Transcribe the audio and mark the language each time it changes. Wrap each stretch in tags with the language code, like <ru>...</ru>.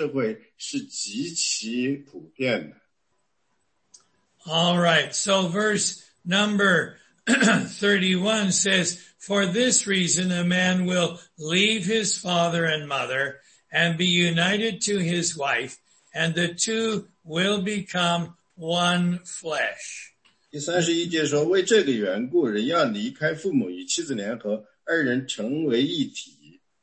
<zh>所以呢，那个离婚和不道德的关系在我们今天的社会是极其普遍的。</zh> <en>All right, so verse number 31 says, for this reason a man will leave his father and mother and be united to his wife, and the two will become one flesh.</en> <zh>第31节说，为这个缘故，人要离开父母，与妻子联合，二人成为一体。</zh>